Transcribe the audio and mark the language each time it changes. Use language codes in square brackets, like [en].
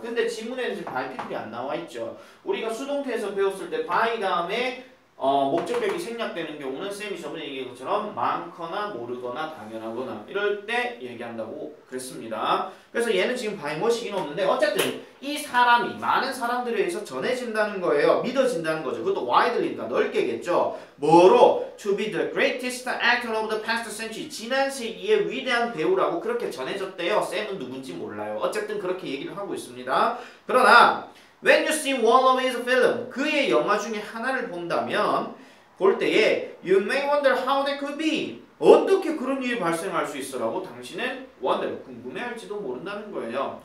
[ko] 근데 지문에는 by people이 안 나와 있죠. 우리가 수동태에서 배웠을 때 by 다음에 목적격이 생략되는 경우는 쌤이 저번에 얘기한 것처럼 많거나 모르거나 당연하거나 이럴 때 얘기한다고 그랬습니다. 그래서 얘는 지금 by 뭐시긴 없는데 어쨌든 이 사람이 많은 사람들에 의해서 전해진다는 거예요. 믿어진다는 거죠. 그것도 widely니까 넓게겠죠. 뭐로? [en] To be the greatest actor of the past century. [ko] 지난 세기의 위대한 배우라고 그렇게 전해졌대요. 쌤은 누군지 몰라요. 어쨌든 그렇게 얘기를 하고 있습니다. 그러나 [en] When you see one of his films, [ko] 그의 영화 중에 하나를 본다면 볼 때에 [en] You may wonder how that could be. [ko] 어떻게 그런 일이 발생할 수 있어라고 당신은 wonder, 궁금해할지도 모른다는 거예요.